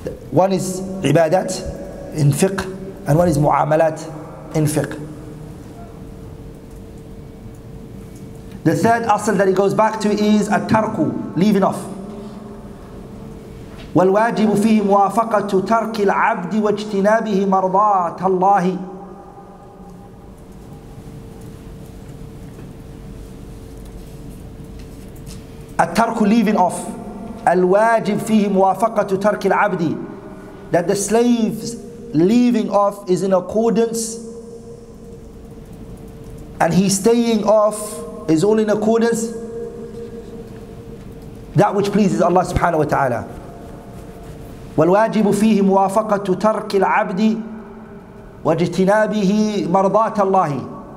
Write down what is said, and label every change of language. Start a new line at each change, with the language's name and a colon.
English: One is ibadat in fiqh, and one is mu'amalat in fiqh. The third asal that he goes back to is at-tarku, leaving off.
Arabic: والواجب فيه موافقة ترك العبد واجتنابه مرضاة الله.
English: الترك leaving off.
Arabic: الواجب فيه موافقة ترك العبد.
English: That the slave's leaving off is in accordance, and he staying off is all in accordance that which pleases Allah subhanahu wa ta'ala.
Arabic: والواجب فيه موافقة ترك العبد واجتنابه مرضاة الله.